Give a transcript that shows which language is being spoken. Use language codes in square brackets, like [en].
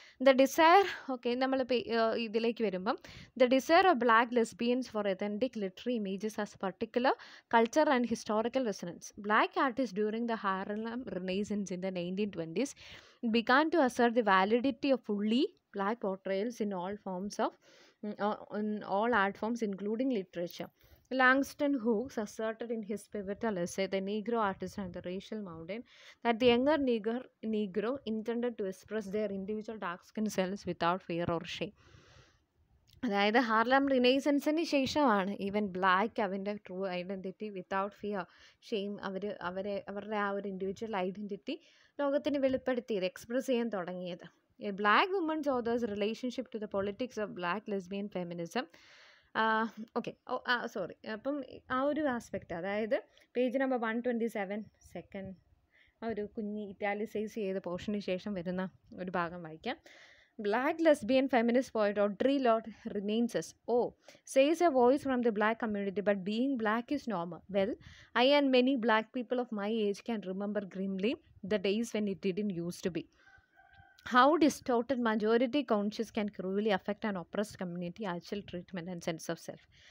[en] the desire, [ml] okay നമ്മൾ ഇതിലേക്ക് വരുമ്പം, [en] The desire of black lesbians for authentic literary images as particular culture and historical resonance. Black artist during the Harlem Renaissance in the 1920s began to assert the validity of fully black portrayals in all forms of all art forms including literature. Langston Hughes asserted in his pivotal essay, The Negro Artist and the Racial Mountain, that the younger Negro intended to express their individual dark skin selves without fear or shame. [ml] അതായത് Harlem റിനൈസൻസിന് ശേഷമാണ് even black അവൻ്റെ [en] true identity without fear shame [ml] അവരുടെ ആ ഒരു individual identity ലോകത്തിന് വെളിപ്പെടുത്തിയത് express ചെയ്യാൻ തുടങ്ങിയത്. [en] Black women's authors relationship to the politics of black lesbian feminism. [ml] Okay, ഓ ആ സോറി, അപ്പം ആ ഒരു ആസ്പെക്റ്റ്, അതായത് പേജ് നമ്പർ 127 സെക്കൻഡ് ആ ഒരു കുഞ്ഞി ഇറ്റാലിസൈസ് ചെയ്ത പോർഷന് ശേഷം വരുന്ന ഒരു ഭാഗം വായിക്കാം. [en] Black lesbian feminist poet Audre Lorde reminds us, oh, says a voice from the black community, but being black is normal. Well, I and many black people of my age can remember grimly the days when it didn't used to be. How distorted majority conscious can cruelly affect an oppressed community, actual treatment and sense of self.